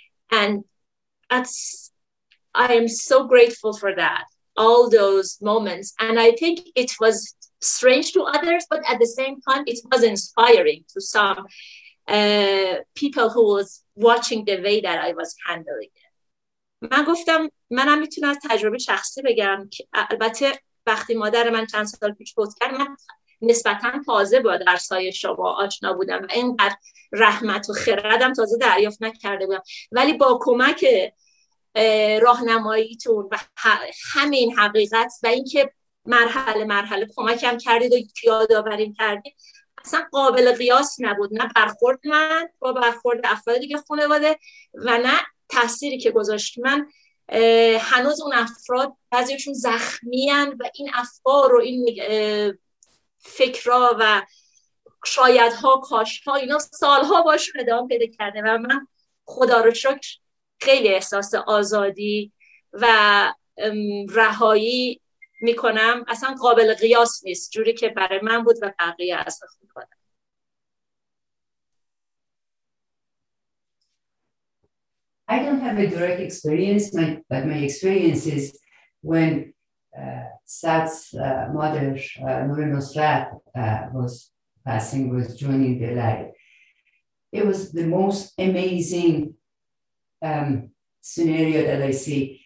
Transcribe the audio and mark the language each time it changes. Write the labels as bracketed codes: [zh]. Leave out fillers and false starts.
[en] And I am so grateful for that, all those moments. And I think it was strange to others, but at the same time it was inspiring to some people who was watching the way that I was handling it. [fa] من گفتم منم میتونم از تجربه شخصی بگم که البته وقتی مادر من چند سال پیش فوت کرد، من نسبتاً تازه با درسای شما آشنا بودم و اینقدر رحمت و خردم تازه دریافت نکرده بودم، ولی با کمک راهنماییتون و همین حقیقت و اینکه مرحله مرحله کمکم کردید و یادآوریم کردید، اصلا قابل قیاس نبود، نه برخورد من با برخورد افراد دیگه خانواده و نه تأثیری که گذاشت. من هنوز اون افراد بعضیشون زخمی هن و این افکار و این فکرها و شایدها کاشها اینا سالها باشون ادامه پیدا کرده و من خدا رو شکر خیلی احساس آزادی و رهایی میکنم، اصلا قابل قیاس نیست جوری که برای من بود و بقیه از خود میکنم. [en] I don't have a direct experience, but my experience is when Sat's mother, Nur Nusrat, was passing, was joining the light. It was the most amazing scenario that I see.